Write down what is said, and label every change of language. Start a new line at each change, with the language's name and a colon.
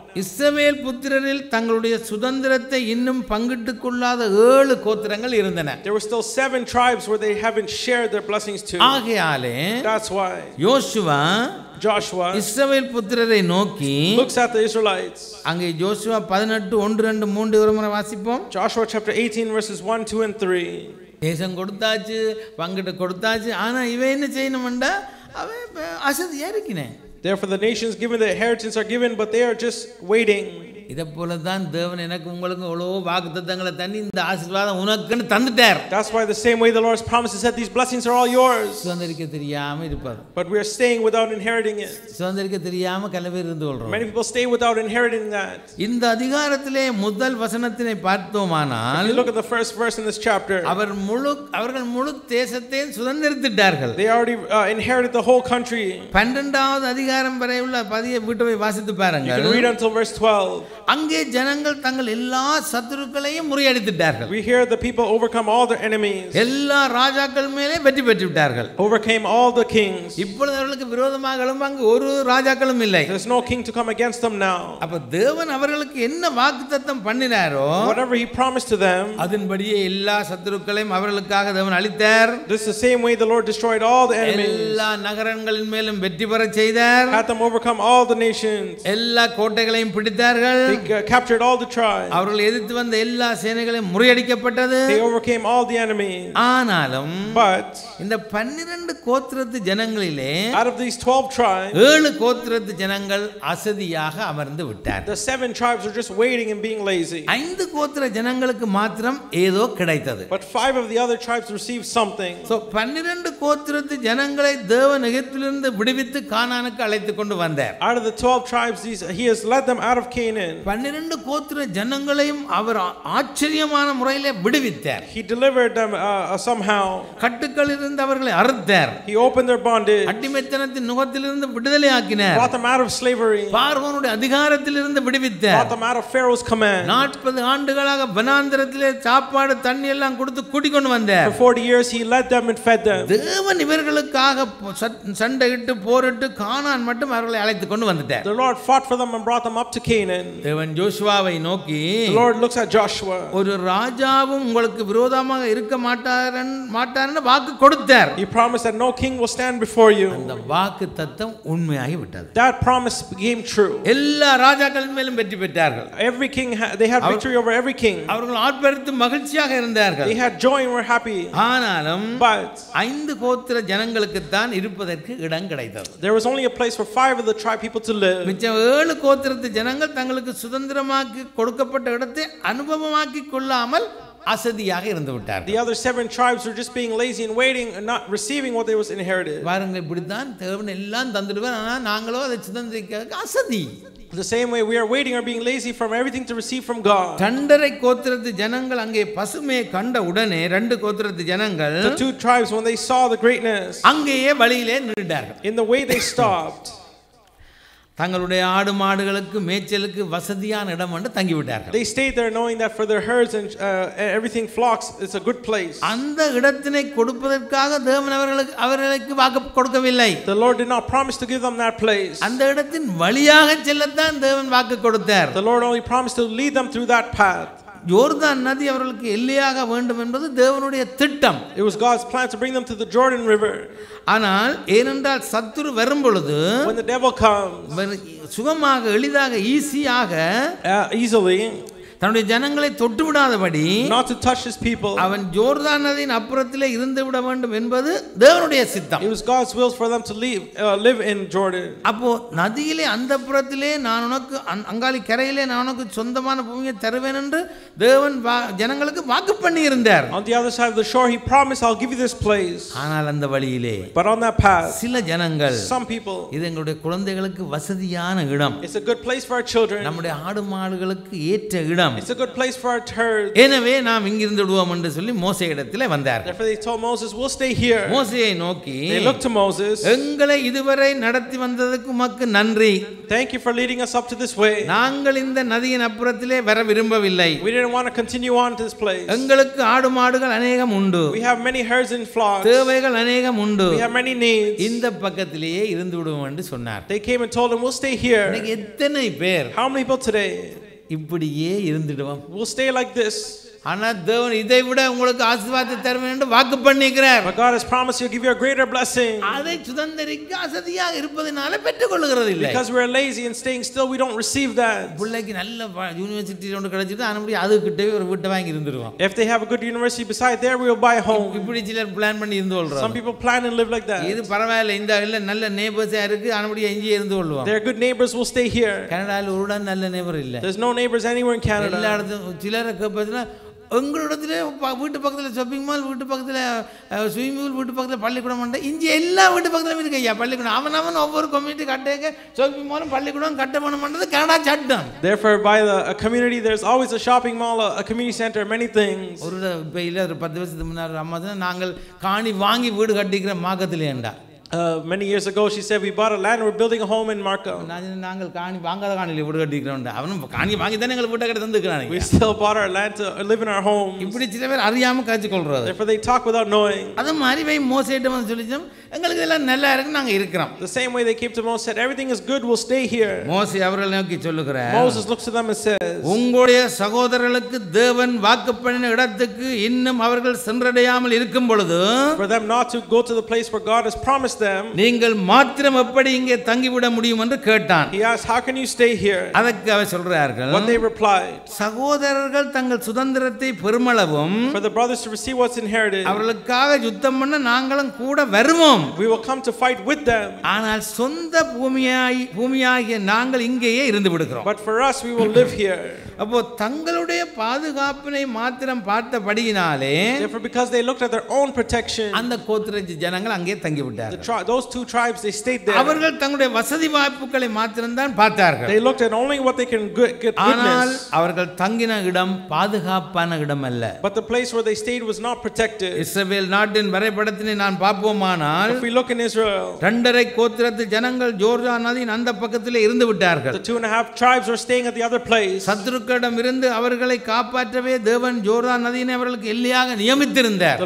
Tamil: இஸ்ரவேல் புத்திரரில் தங்களுடைய சுதந்திரத்தை இன்னும் பங்கிட்டுக் கொள்ளாத ஏழு கோத்திரங்கள் இருந்தன.
English: There were still seven tribes where they haven't shared their blessings to.
Tamil: ஆகையாலே
English: That's why.
Tamil: யோசுவா
English: Joshua
Tamil: இஸ்ரவேல் புத்திரரை நோக்கி
English: looks at the Israelites
Tamil: அங்கே யோசுவா 18:1-3 வரை வாசிப்போம்
English: Joshua chapter 18 verses 1 2 and 3
Tamil: தேசம் கொடுத்தாச்சு பங்கிட்டு கொடுத்தாச்சு ஆனா இவன் என்ன செய்யணும்டா அவன் அசதி ஏறிக்கினே
English: therefore the nations given the inheritance are given but they are just waiting
Tamil: இதபோல தான் தேவன் எனக்கு உங்களுக்கு எவ்வளவு வாக்குத்தத்தங்களை தண்ணி இந்த ஆசீர்வாதம் உனக்குன்னு தந்துட்டார்
English: That's why the same way the Lord's promises said these blessings are all yours
Tamil: சுதந்திரிக்க தெரியாம இருப்பது
English: But we are staying without inheriting it
Tamil: சுதந்திரிக்க தெரியாம கலவே இருந்து கொள்றோம்
English: Many people stay without inheriting that
Tamil: இந்த அதிகாரத்திலே முதல் வசனத்தினை பார்த்தோமானால்
English: Look at the first verse in this chapter
Tamil: அவர்கள் முழு தேசத்தையும் சுதந்தரித்துட்டார்கள்
English: They already inherited the whole country
Tamil: 12வது அதிகாரம் வரை உள்ள பதியை விட்டு வாசித்து பாருங்க
English: You can read until verse 12
Tamil: அங்கே ஜனங்கள் தங்கள் எல்லா சத்துருக்களையும் முறியடித்துட்டார்கள்
English: We hear the people overcome all their enemies
Tamil: எல்லா ராஜாக்கள் மேலே வெற்றி பெற்று விட்டார்கள்
English: overcame all the kings
Tamil: இப்பொழுது அவர்களுக்கு விரோதமாக எழும்பங்கு ஒரு ராஜாக்களும் இல்லை
English: there's no king to come against them now
Tamil: அப்ப தேவன் அவர்களுக்கு என்ன வாக்குத்தத்தம் பண்ணினாரோ
English: whatever he promised to them
Tamil: அதன்படியே எல்லா சத்துருக்களையும் அவர்களுக்காக தேவன் அழித்தார்
English: this is the same way the lord destroyed all the enemies
Tamil: எல்லா நகரங்களின் மேலும் வெற்றி பெற செய்தார்
English: had them overcome all the nations
Tamil: எல்லா கோட்டைகளையும் பிடித்தார்கள்
English: They captured all the tribes.
Tamil: அவர்கள் எதிர்த்து வந்த எல்லா சேனைகளையும் முறியடிக்கப்பட்டது.
English: They overcame all the enemies.
Tamil: ஆனாலும்
English: But
Tamil: இந்த 12 கோத்திரத்து ஜனங்களிலே
English: Out of these 12 tribes,
Tamil: ஏழு கோத்திரத்து ஜனங்கள் அசதியாக அமர்ந்து விட்டார்.
English: The seven tribes were just waiting and being lazy.
Tamil: ஐந்து கோத்திர ஜனங்களுக்கு மட்டும் ஏதோ கிடைத்தது.
English: But 5 of the other tribes received something.
Tamil: So 12 கோத்திரத்து ஜனங்களை தேவன் எகிப்திலிருந்து விடுவித்து கானானுக்கு அழைத்து கொண்டு வந்தார்.
English: Out of the 12 tribes he has led them out of Canaan.
Tamil: 12 கோத்திர ஜனங்களையும் அவர் ஆச்சரியமான முறையில் விடுவித்தார்
English: He delivered them somehow
Tamil: கட்டுக்களிலிருந்து அவர்களை அறுத்தார்
English: He opened their bondage
Tamil: அடிமைத்தனத்தின் நுகத்திலிருந்து விடுதலை ஆக்கினார்
English: Brought them out of slavery
Tamil: பார்வோனுடைய அதிகாரத்திலிருந்து விடுவித்தார்
English: Brought them out of Pharaoh's command
Tamil: 40 ஆண்டுகளாக வனாந்திரத்திலே சாப்பாடு தண்ணி எல்லாம் கொடுத்து குடிக்கொண்டு வந்தார்
English: For 40 years he led them and fed them
Tamil: தேவன் இவர்களுக்காக சண்டையிட்டு போரிட்டு கானான் மட்டும் அவர்களை அழைத்து கொண்டு வந்துட்டார்
English: The Lord fought for them and brought them up to Canaan
Tamil: தேவன் யோசுவாவை நோக்கி
English: The Lord looks at Joshua
Tamil: ஒரு ராஜாவும் உங்களுக்கு விரோதமாக இருக்க மாட்டாரன்னு வாக்கு கொடுத்தார்
English: He promised that no king will stand before you
Tamil: அந்த வாக்கு தத்தம் உண்மையாகி விட்டது
English: That promise became true
Tamil: எல்லா ராஜாக்களின் மேலும் வெற்றி பெற்றார்கள்
English: Every king they had victory over every king
Tamil: அவர்கள் ஆர்ப்பரித்து மகிழ்ச்சியாக இருந்தார்கள்
English: They had joy and were happy
Tamil: ஆனாலும்
English: But
Tamil: ஐந்து கோத்திர ஜனங்களுக்கு தான் இருப்பதற்கு இடம் கிடைத்தது
English: There was only a place for 5 of the tribe people to live
Tamil: மிச்சம் ஏழு கோத்திரத்து ஜனங்கள் தங்களுக்கு சுதந்திரமாக கொடுக்கப்பட்ட இடத்தை அனுபவமாக்கிக் கொள்ளாமல் அசதியாக இருந்து விட்டார்
English: The other 7 tribes were just being lazy and waiting and not receiving what they was inherited
Tamil: பாருங்க இப்படி தான் தேவன் எல்லாம் தந்துடுவார் ஆனா நாங்களோ அதை சுதந்திரிக்க அசதி
English: The same way we are waiting or being lazy from everything to receive from God.
Tamil: Thandarai கோத்திரத்து ஜனங்கள் அங்கே பசுமையை கண்ட உடனே ரெண்டு கோத்திரத்து ஜனங்கள்
English: The two tribes when they saw the greatness
Tamil: அங்கேயே வழியிலே நின்றார்கள்.
English: In the way they stopped.
Tamil: தங்களுடைய ஆடு மாடுகளுக்கு மேய்ச்சலுக்கு வசதியான இடம் என்று தங்கி விட்டார்கள்.
English: They stayed there knowing that for their herds and everything flocks it's a good place.
Tamil: அந்த இடத்தினை கொடுப்பதற்காக தேவன் அவர்களுக்கு வாக்கு கொடுக்கவில்லை.
English: The Lord did not promise to give them that place.
Tamil: அந்த இடத்தின் வழியாக செல்லத்தான் தேவன் வாக்கு கொடுத்தார்.
English: The Lord only promised to lead them through that path.
Tamil: யோர்தான் நதி அவர்களுக்கு எல்லையாக வேண்டும் என்பது தேவனுடைய திட்டம்.
English: It was God's plan to bring them to the Jordan River.
Tamil: ஆனால் ஏனென்றால் சத்துரு வரும் பொழுது
English: When the devil comes,
Tamil: சுகமாக எளிதாக ஈஸியாக
English: easily
Tamil: தன்னுடைய ஜனங்களை தொட்டு விடாதபடி
English: Not to touch his people.
Tamil: அவன் யோர்தான் நதியின் அப்புறத்திலே இருந்து விட வேண்டும் என்பது தேவனுடைய சித்தம்.
English: It was God's will for them to live in Jordan.
Tamil: அப்போ நதியிலே அந்த புறத்திலே நான் உனக்கு அங்காளி கரையிலே நான் உனக்கு சொந்தமான பூமியை தருவேன் என்று தேவன் ஜனங்களுக்கு வாக்கு பண்ணி இருந்தார்.
English: On the other side of the shore he promised I'll give you this place.
Tamil: ஆனால் அந்த வழியிலே
English: But on that path
Tamil: சில ஜனங்கள்
English: Some people
Tamil: இது எங்களுடைய குழந்தைகளுக்கு வசதியான இடம்.
English: It's a good place for our children.
Tamil: நம்முடைய ஆடு மாடுகளுக்கு ஏற்ற இடம்.
English: It's a good place for our herds.
Tamil: எனவே நாம் இங்கிருந்து விடுவோம் என்று சொல்லி மோசே இடத்திலே வந்தார்.
English: Therefore they told Moses, "We'll stay here."
Tamil: மோசேயை நோக்கி,
English: They looked to Moses.
Tamil: "எங்களை இதுவரை நடத்தி வந்ததற்கு உமக்கு நன்றி.
English: Thank you for leading us up to this way.
Tamil: நாங்கள் இந்த நதியின் அப்புறத்திலே வர விரும்பவில்லை.
English: We didn't want to continue on to this place.
Tamil: எங்களுக்கு ஆடு மாடுகள் அநேகம் உண்டு.
English: We have many herds and flocks.
Tamil: தேவைகள் அநேகம் உண்டு.
English: We have many needs.
Tamil: இந்த பக்கத்திலேயே இருந்து விடுவோம் என்று சொன்னார்.
English: They came and told him, "We'll stay here."
Tamil: இன்னைக்கு எத்தனை பேர்
English: How many people today?
Tamil: இப்படியே இருந்துடுவோம்.
English: We'll stay like this.
Tamil: ஆனா தேவன் இதை விட உங்களுக்கு ஆசீர்வாதத்தை தருவேன் என்று வாக்கு பண்ணிக்கிறார்.
English: But God has promised you give you a greater blessing.
Tamil: அதை சுதந்தரிக்க அசதியாக இருப்பதனால பெற்றுக்கொள்ளுகிறது இல்லை.
English: Because we're lazy and staying still we don't receive that.
Tamil: புள்ளைக்கு நல்ல யுனிவர்சிட்டி ஒன்று கிடைச்சிட்டு அனுபடி அதுக்கிட்டவே ஒரு வீட்டை வாங்கி இருந்துடுவோம்.
English: If they have a good university beside there we'll buy a home.
Tamil: இப்படி சிலர் பிளான் பண்ணி இருந்து கொள்றாங்க.
English: Some people plan and live like that.
Tamil: இது பரவாயில்லை இந்த இல்ல நல்ல நெய்பர்ஸ் இருக்கு அனுபடி அங்கேயே இருந்து கொள்வோம்.
English: There are good neighbors will stay here.
Tamil: கனடால ஒரு இடம் நல்ல நெய்பர் இல்ல.
English: There's no neighbors anywhere in Canada.
Tamil: எல்லா இடத்துல சிலர் கேப்பதுனா எங்களிடத்திலே வீட்டு பக்கத்தில் ஷாப்பிங் மால் வீட்டு பக்கத்தில் ஸ்விம்மிங் பூல் வீட்டு பக்கத்தில் பள்ளிக்கூடம் வந்து இஞ்சி எல்லா வீட்டு பக்கத்துலயும் இருக்கு ஐயா பள்ளிக்கூடம் அவன் அவன் ஒவ்வொரு கம்யூனிட்டி கட்டேக்க ஷாப்பிங் மாலும் பள்ளிக்கூடம் கட்ட பண்ணுறது கனடா சட்டம்
English: Therefore by the community there's always a shopping mall a community center many things
Tamil: ஒரு இப்போ இல்லை ஒரு 10 வருஷத்துக்கு முன்னாடி அம்மாதான் நாங்கள் காணி வாங்கி வீடு கட்டிக்கிற மாக்கத்திலேண்டா
English: Many years ago she said we bought a land we're building a home in Markham
Tamil: நாங்கள் காணி வாங்காத காணியில வீடு கட்டிக்கிறோம்டா அவனும் காணி வாங்கி தான் எங்க வீட்டை கட்ட தந்துக்கறானே
English: We still bought our land to live in our home
Tamil: இப்படி சில பேர் அறியாம காஞ்சி கொள்றாரு
English: Therefore they talk without knowing
Tamil: அது மாதிரி வை மோசே கிட்ட வந்து சொல்லிச்சோம் எங்களுக்கு எல்லாம் நல்லா இருக்கு நாங்க இருக்கோம்
English: The same way they came to Moses said everything is good we'll stay here
Tamil: மோசே அவர்களை நோக்கி சொல்லுகிறார்
English: Moses looks at them and says
Tamil: உங்களுடைய சகோதரர்களுக்கு தேவன் வாக்கு பண்ண இடத்துக்கு இன்னும் அவர்கள் சென்றடையாமல் இருக்கும் பொழுது
English: For them not to go to the place where God has promised
Tamil: நீங்கள் மாத்திரம் எப்படி இங்கே தங்கிவிட முடியும் என்று கேட்டான்
English: He asked, How can you stay here?
Tamil: அதற்கு அவர் சொல்றார்கள்
English: When they replied,
Tamil: சகோதரர்கள் தங்கள் சுதந்திரத்தை பெருமளவும்
English: For the brothers to receive what's inherited,
Tamil: அவர்களுக்காக யுத்தம் பண்ண நாங்களும் கூட வருவோம்
English: We will come to fight with them.
Tamil: ஆனால் சொந்த பூமியாகிய நாங்கள் இங்கேயே இருந்து விடுகிறோம்
English: But for us, we will live here.
Tamil: அப்போ தங்களுடைய பாதுகாப்பினை மாத்திரம் பார்த்தபடியினாலே
English: Therefore, because they looked at their own protection,
Tamil: அந்த கோத்திரஞ்சி ஜனங்கள் அங்கே தங்கிவிட்டார்
English: those two tribes they stayed there
Tamil: அவர்கள் தங்களுடைய வசதி வாய்ப்புகளை மட்டும் தான் பார்த்தார்கள்
English: they looked at only what they can get goodness
Tamil: ஆனால் அவர்கள் தங்கின இடம் பாதுகாப்பான இடம் அல்ல
English: but the place where they stayed was not protected
Tamil: இஸ்ரவேல் நாட்டின் வரைபடத்தினை நான் பார்ப்போமானால்
English: if we look in Israel
Tamil: ரெண்டரை கோத்திரத்து ஜனங்கள் யோர்தான் நதியின் அந்த பக்கத்திலே இருந்து விட்டார்கள்
English: the two and a half tribes were staying at the other place
Tamil: சத்துருக்களிடம் இருந்து அவர்களை காப்பாற்றவே தேவன் யோர்தான் நதியினை அவர்களுக்கு எல்லையாக நியமித்திருந்தார்